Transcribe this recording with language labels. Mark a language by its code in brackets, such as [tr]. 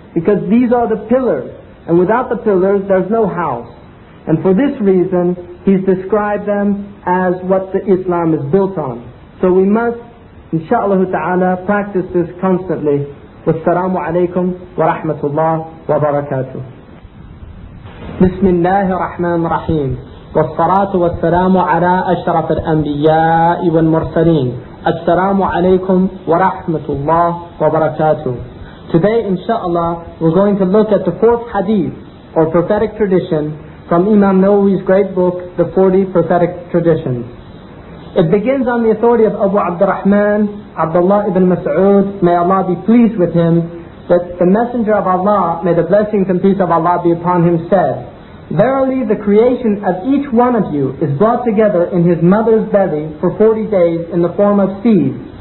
[en] Because these are the pillars. And without the pillars, there's no house. And for this reason, he's described them as what the Islam is built on. So we must, inshaAllah ta'ala, practice this constantly. [ar] Wassalamu alaikum wa rahmatullah wa barakatuh. بسم الله الرحمن الرحيم والصلاة والسلام على أشرف الأنبياء والمرسلين السلام عليكم ورحمة الله وبركاته. [en] Today inshallah we're going to look at the fourth hadith or prophetic tradition from Imam Nawawi's great book The 40 Prophetic Traditions. It begins on the authority of Abu Abdurrahman Abdullah ibn Mas'ud, may Allah be pleased with him, that the Messenger of Allah, may the blessings and peace of Allah be upon him, said, verily the creation of each one of you is brought together in his mother's belly for 40 days in the form of seed.